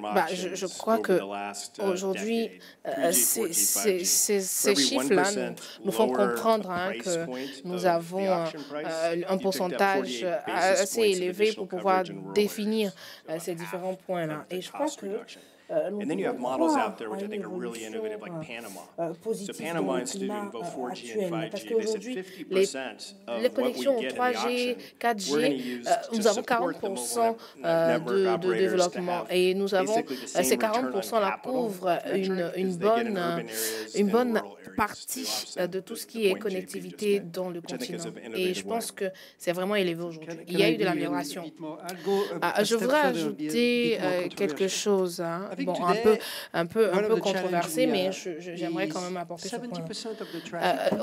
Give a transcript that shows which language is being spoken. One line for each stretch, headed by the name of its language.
French: Je crois qu'aujourd'hui, ces chiffres-là nous font comprendre hein, que nous avons un pourcentage assez élevé pour pouvoir définir ces différents points-là. Et je crois que
English: and then you have models out there which I think are really innovative, like Panama. So Panama instituted both 4G and 5G. They said 50% of what we get in the auction, we're going to use to support the mobile network operators to have basically the same return on capital metric as they get in urban areas.
French: Partie de tout ce qui est connectivité dans le continent. Et je pense que c'est vraiment élevé aujourd'hui. Il y a eu de l'amélioration. Je voudrais ajouter quelque chose, hein. Bon, un peu controversé, mais j'aimerais quand même apporter ce point.